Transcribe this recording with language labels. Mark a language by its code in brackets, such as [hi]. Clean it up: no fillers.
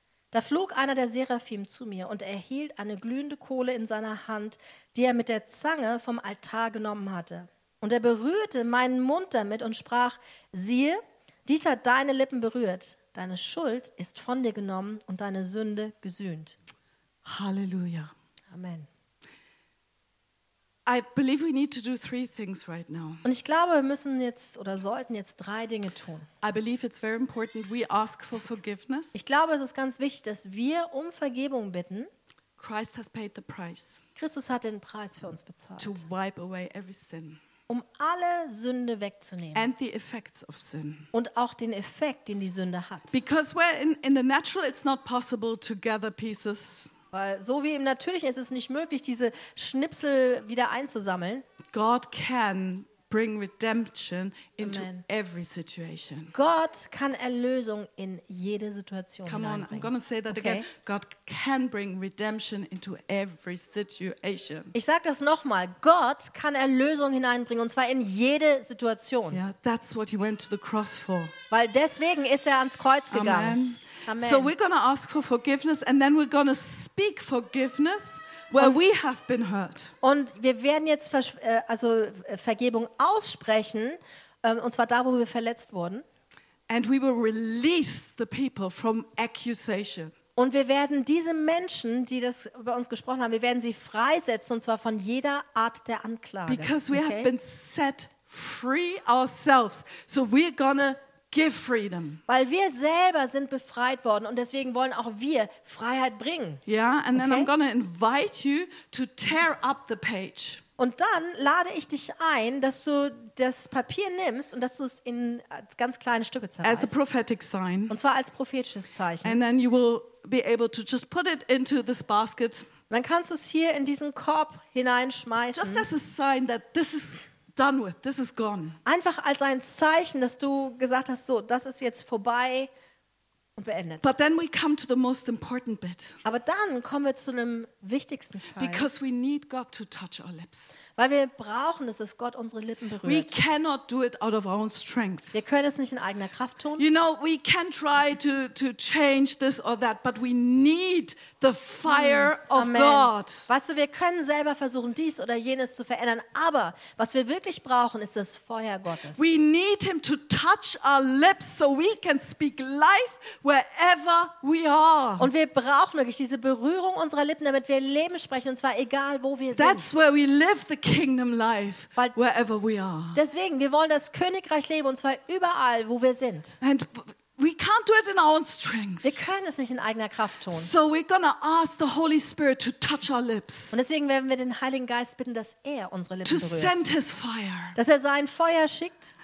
[de] Da flog einer der Seraphim zu mir und er hielt eine glühende Kohle in seiner Hand, die er mit der Zange vom Altar genommen hatte. Und er berührte meinen Mund damit und sprach, siehe, dies hat deine Lippen berührt. Deine Schuld ist von dir genommen und deine Sünde gesühnt. Halleluja. Amen. [en] I believe we need to do three things right now. [de] Und ich glaube, wir müssen jetzt oder sollten jetzt drei Dinge tun. [en] I believe it's very important we ask for forgiveness. [de] Ich glaube, es ist ganz wichtig, dass wir um Vergebung bitten. [en] Christ has paid the price. [de] Christus hat den Preis für uns bezahlt. [en] To wipe away every sin. [de] um alle Sünde wegzunehmen. [en] And the effects of sin. [de] Und auch den Effekt, den die Sünde hat. [en] Because where in the natural it's not possible to gather pieces. [de] Weil so wie im Natürlichen ist es nicht möglich, diese Schnipsel wieder einzusammeln. [en] God can bring redemption into Amen. Every situation. [de] Gott kann Erlösung in jede Situation [en] Come [de] hineinbringen. [en] Come on, I'm going to say that okay. again. God can bring redemption into every situation. [de] Ich sag das nochmal. Gott kann Erlösung hineinbringen und zwar in jede Situation. [en] Yeah, that's what he went to the cross for. [de] Weil deswegen ist er ans Kreuz gegangen. Amen. Amen. [en] So we're going to ask for forgiveness and then we're going to speak forgiveness. Where we have been hurt. [de] Und wir werden jetzt Vergebung aussprechen, und zwar da, wo wir verletzt wurden. [en] And we will release the people from accusation. [de] Und wir werden diese Menschen, die das über uns gesprochen haben, wir werden sie freisetzen, und zwar von jeder Art der Anklage. [en] Because we okay? have been set free ourselves, so we're gonna give freedom. [de] Weil wir selber sind befreit worden und deswegen wollen auch wir Freiheit bringen. [en] Yeah, and then okay? I'm going to invite you to tear up the page. [de] Und dann lade ich dich ein, dass du das Papier nimmst und dass du es in ganz kleine Stücke zerreißt. [en] As a prophetic sign. [de] Und zwar als prophetisches Zeichen. [en] And then you will be able to just put it into this basket. [de] Und dann kannst du es hier in diesen Korb hineinschmeißen. [en] Just as a sign that this is done with. This is gone. [de] Einfach als ein Zeichen, dass du gesagt hast, so, das ist jetzt vorbei und beendet. [en] But then we come to the most important bit. [de] Aber dann kommen wir zu einem wichtigsten Teil. [en] Because we need God to touch our lips. [de] Weil wir brauchen, dass es Gott unsere Lippen berührt. [en] We cannot do it out of our own strength. [de] Wir können es nicht in eigener Kraft tun. [en] You know, we can try to change this or that, but we need the fire of Amen. God. [de] Weißt du, wir können selber versuchen, dies oder jenes zu verändern, aber was wir wirklich brauchen, ist das Feuer Gottes. [en] We need him to touch our lips so we can speak life wherever we are. [de] Und wir brauchen wirklich diese Berührung unserer Lippen, damit wir Leben sprechen, und zwar egal, wo wir sind. [en] That's where we live the kingdom life, weil wherever we are. [de] Deswegen, wir wollen das Königreich leben, und zwar überall, wo wir sind. [en] And we can't do it in our own strength. [de] Wir können es nicht in eigener Kraft tun. [en] So we're gonna ask the Holy Spirit to touch our lips. [de] Und deswegen werden wir den Heiligen Geist bitten, dass er unsere Lippen [en] to [de] berührt. [en] To send his fire. [de] Dass er sein Feuer schickt.